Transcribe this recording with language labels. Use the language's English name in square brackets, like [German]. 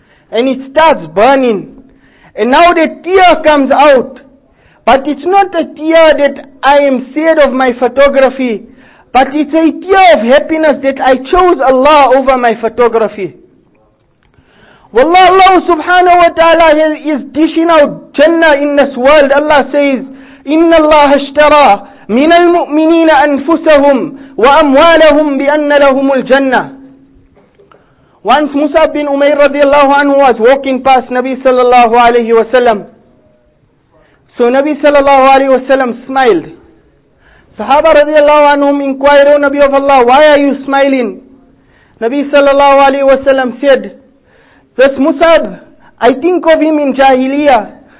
[English] And it starts burning. And now the tear comes out. But it's not a tear that I am sad of my photography. But it's a tear of happiness that I chose Allah over my photography. Wallah, Allah subhanahu wa ta'ala is dishing out Jannah in this world. Allah says, [Arabic] إِنَّ اللَّهَ اشْتَرَى مِنَ الْمُؤْمِنِينَ أَنفُسَهُمْ وَأَمْوَالَهُمْ بِأَنَّ لَهُمُ الْجَنَّةِ. [English] Once Musab bin Umayr radiallahu anhu was walking past Nabi sallallahu alayhi wa sallam. So Nabi sallallahu alayhi wa sallam smiled. Sahaba radiallahu anhum inquired, O Nabi of Allah, why are you smiling? Nabi sallallahu alayhi wa sallam said, this Musab, I think of him in Jahiliyyah.